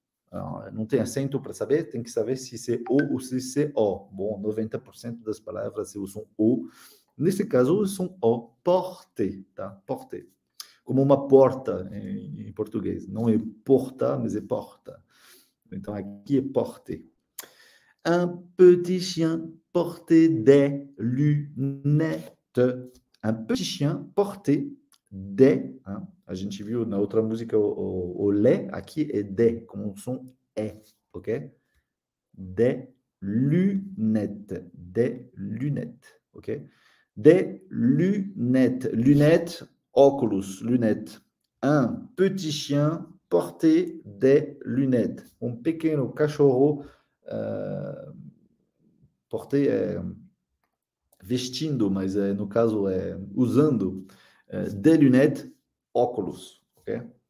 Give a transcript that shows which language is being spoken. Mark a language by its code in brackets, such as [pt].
[pt] Alors, não tem acento para saber, tem que saber se é o ou se é o. Bom, 90% das palavras é o som o. Nesse caso, o som o. Porter, tá? Porter. [fr] comme [pt] uma porta em português. Não é porta, mas é porta. Então, aqui é porter. [fr] Un petit chien portait des lunettes. Un petit chien portait des. Hein? [pt] A gente viu na outra música o les. Aqui é des, como o som é. Ok? [fr] Des lunettes. Des lunettes. Ok? Des lunettes. Lunettes, óculos, lunettes. Un petit chien portait des lunettes. [pt] Un pequeno cachorro. Porter é vestindo, mas é, no caso é usando [fr] des lunettes, [pt] óculos, ok?